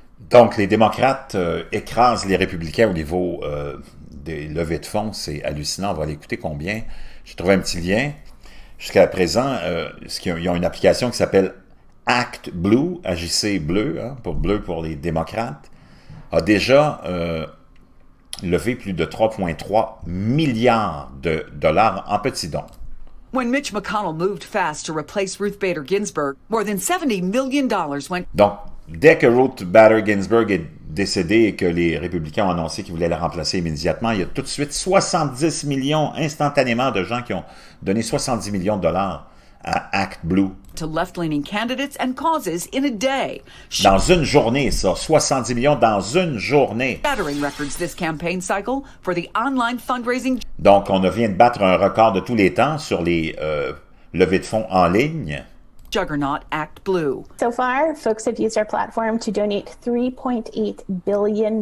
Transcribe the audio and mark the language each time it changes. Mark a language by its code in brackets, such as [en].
[fr] Donc, les démocrates écrasent les républicains au niveau des levées de fonds. C'est hallucinant. On va aller écouter combien. J'ai trouvé un petit lien. Jusqu'à présent, ils ont une application qui s'appelle Act Blue, AGC Bleu, hein, pour bleu pour les démocrates, a déjà levé plus de 3,3 milliards de dollars en petits dons. [en] When Mitch McConnell moved fast to replace Ruth Bader Ginsburg, more than 70 million dollars went. [fr] Donc, dès que Ruth Bader Ginsburg est décédée et que les républicains ont annoncé qu'ils voulaient la remplacer immédiatement, il y a tout de suite 70 millions instantanément de gens qui ont donné 70 millions de dollars à Act Blue. [en] To left-leaning candidates and causes in a day. [fr] Dans une journée, ça, 70 millions dans une journée. [en] Battering records this campaign cycle for the online fundraising. [fr] Donc, on vient de battre un record de tous les temps sur les levées de fonds en ligne. [en] Juggernaut Act Blue. So far, folks have used our platform to donate $3.8 billion.